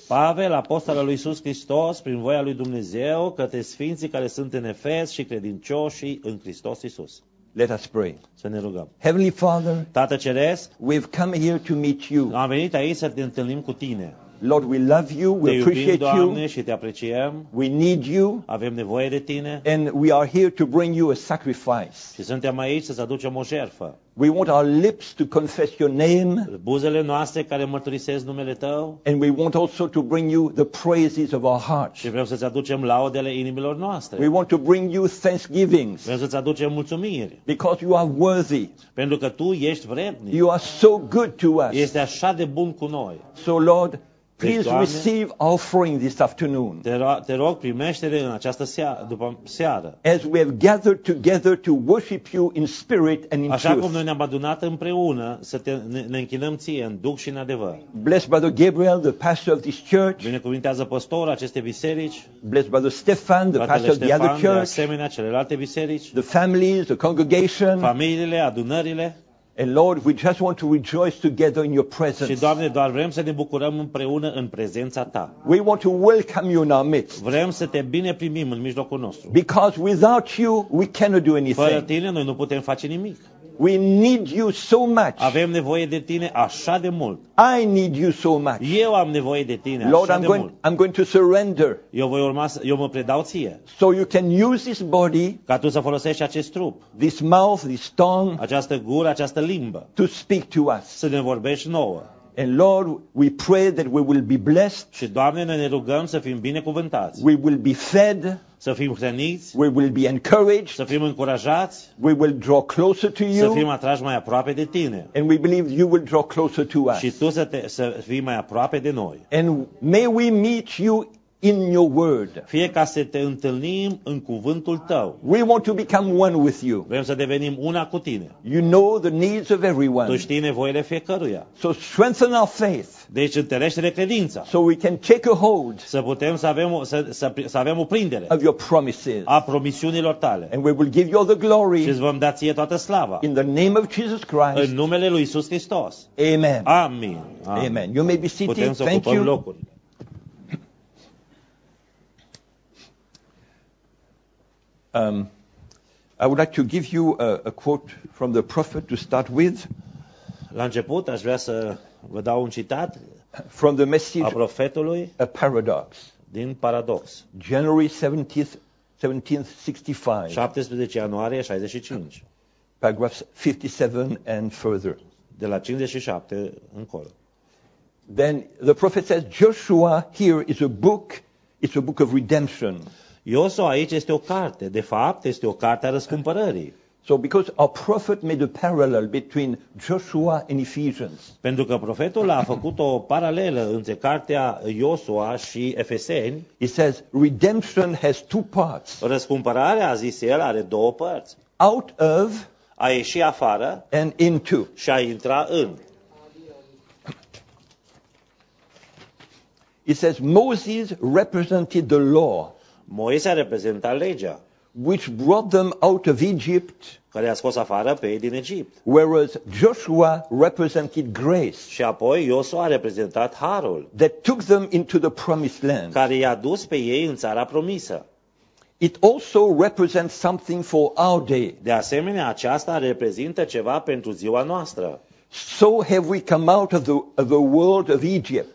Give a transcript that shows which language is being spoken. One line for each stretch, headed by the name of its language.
Romanian: Pavel, apostol al lui Iisus Hristos, prin voia lui Dumnezeu, către sfinții care sunt în Efes și credincioșii în Hristos Iisus.
English: Let us pray.
Romanian: Să ne rugăm.
English: Heavenly Father,
Romanian: Tată Ceresc,
English: we've come here to meet you.
Romanian: Am venit aici să te întâlnim cu tine.
English: Lord, we love you, we
Romanian: te iubim,
English: appreciate
Romanian: Doamne,
English: you,
Romanian: și te apreciem,
English: we need you,
Romanian: avem nevoie de tine,
English: and we are here to bring you a sacrifice.
Romanian: Și suntem aici să-ți aducem o jertfă.
English: We want our lips to confess your name,
Romanian: buzele noastre care mărturisesc numele tău,
English: and we want also to bring you the praises of our hearts.
Romanian: Și vrem să-ți aducem laudele inimilor noastre.
English: We want to bring you thanksgivings.
Romanian: Vrem să-ți aducem mulțumiri.
English: Because you are worthy.
Romanian: Pentru că tu ești vrednic.
English: You are so good to us.
Romanian: Ești așa de bun cu noi.
English: So Lord, please receive our offering this afternoon.
Romanian: Te rog, primește-le în această seară, după seară.
English: As we have gathered together to worship you in spirit and in truth.
Romanian: Așa cum noi ne-am adunat împreună să ne închinăm ție în duc și în adevăr.
English: Bless Brother Gabriel, the pastor of this church.
Romanian: Binecuvintează pastorul acestei biserici.
English: Bless Brother Stefan, the pastor of the other church.
Romanian: De asemenea, celelalte biserici.
English: The families, the congregation.
Romanian: Familiile, adunările.
English: And Lord, we just want to rejoice together in your presence.
Romanian: Și Doamne, doar vrem să ne bucurăm împreună în prezența ta.
English: We want to welcome you in our midst.
Romanian: Vrem să te bine primim în mijlocul nostru.
English: Because without you, we cannot do anything.
Romanian: Fără tine, noi nu putem face nimic.
English: We need you so much.
Romanian: Avem nevoie de tine așa de mult.
English: I need you so much.
Romanian: Eu am nevoie de tine așa
English: Lord,
Romanian: de mult.
English: I'm going to surrender.
Romanian: Eu mă predau ție.
English: So you can use this body.
Romanian: Ca tu să folosești acest trup.
English: This mouth, this tongue.
Romanian: Această gură, această limbă.
English: To speak to us.
Romanian: Să ne vorbești nouă.
English: And Lord, we pray that we will be blessed.
Romanian: Și Doamne, noi ne rugăm să fim binecuvântați.
English: We will be fed.
Romanian: Să fim hrăniți.
English: We will be encouraged.
Romanian: Să fim încurajați.
English: We will draw closer to you.
Romanian: Să fim atrași mai aproape de tine.
English: And we believe you will draw closer to us.
Romanian: Și tu să fii mai aproape de noi.
English: And may we meet you in your word.
Romanian: Fie ca să te întâlnim în cuvântul tău.
English: We want to become one with you.
Romanian: Vrem să devenim una cu tine.
English: You know the needs of everyone.
Romanian: Tu știi nevoile fiecăruia.
English: So strengthen our faith.
Romanian: Deci întărește-ne credința.
English: So we can take a hold.
Romanian: Să putem să avem o prindere.
English: Of your promises.
Romanian: A promisiunilor tale.
English: And we will give you all the glory.
Romanian: Și îți vom da ție toată slava.
English: In the name of Jesus Christ.
Romanian: În numele lui Iisus Hristos.
English: Amen.
Romanian: Amen.
English: Amen. You may be seated.
Romanian: Putem să
English: thank
Romanian: ocupăm
English: you.
Romanian: Locuri.
English: I would like to give you a quote from the prophet to start with.
Romanian: La început aș vrea să vă dau un citat
English: from the message
Romanian: a profetului,
English: A Paradox.
Romanian: Din Paradox.
English: January 17th, 1765.
Romanian: 17 ianuarie 65.
English: Paragraphs 57 and further.
Romanian: De la 57 încolo.
English: Then the prophet says, Joshua here is a book, it's a book of redemption.
Romanian: Iosua aici este o carte, de fapt este o carte a răscumpărării.
English: So because our prophet made a parallel between Joshua and Ephesians.
Romanian: Pentru că profetul a făcut o paralelă între cartea Iosua și Efeseni.
English: He says redemption has two parts.
Romanian: Răscumpărarea, a zis el, are două părți.
English: Out of,
Romanian: a ieși afară,
English: and into,
Romanian: și a intra în.
English: He says Moses represented the law.
Romanian: Moise a reprezentat legea,
English: which brought them out of Egypt,
Romanian: care a scos afară pe ei din Egipt.
English: Whereas Joshua represented grace,
Romanian: și apoi Iosua a reprezentat harul,
English: that took them into the promised land,
Romanian: care i-a dus pe ei în țara promisă.
English: It also represents something for our day.
Romanian: De asemenea, aceasta reprezintă ceva pentru ziua noastră.
English: So have we come out of the world of Egypt.